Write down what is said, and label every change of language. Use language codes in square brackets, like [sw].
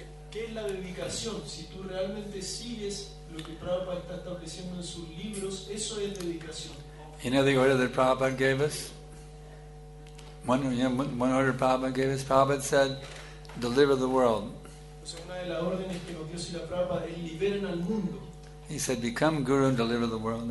[es] ¿Qué es la dedicación? Si tú realmente sigues lo que Prabhupada está estableciendo en sus libros, eso es dedicación. [en] You know the order that Prabhupada gave us? One order Prabhupada gave us. Prabhupada said, deliver the world. [es] Una de las órdenes que nos dio Srila Prabhupada es liberen al mundo. [en] He said, become guru and deliver the world.